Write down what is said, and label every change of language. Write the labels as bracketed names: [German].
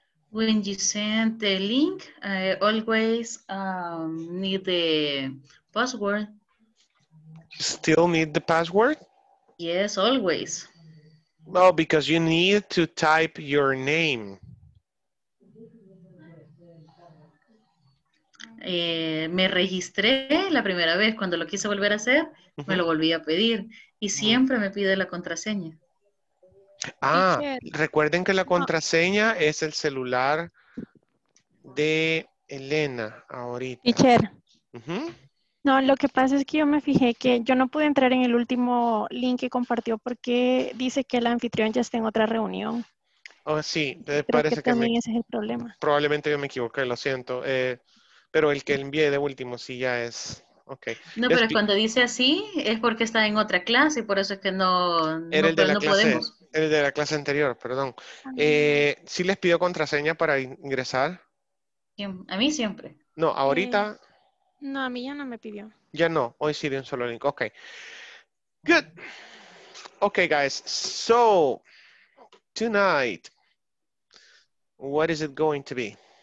[English] When you send the link, I always need the password. You still need the password? Yes, always. Well, because you need to type your name. [Spanish] Me registré la primera vez cuando lo quise volver a hacer, me lo volví a pedir y siempre me pide la contraseña. Ah, recuerden que la contraseña es el celular de Elena ahorita. [English] Teacher. [Spanish] No, lo que pasa es que yo me fijé que yo no pude entrar en el último link que compartió porque dice que el anfitrión ya está en otra reunión. Oh, sí, creo parece que también que ese es el problema. Probablemente yo me equivoqué, lo siento. Pero el que envié de último sí ya es, okay. No, pero cuando dice así es porque está en otra clase, por eso es que no, era no, el de la no clase, podemos. El de la clase anterior, perdón. ¿Sí les pidió contraseña para ingresar? A mí siempre. No, ahorita. No, a mí ya no me pidió. Ya no, hoy sí de un solo link, okay. [English] Good. Okay, guys, so tonight, what is it going to be?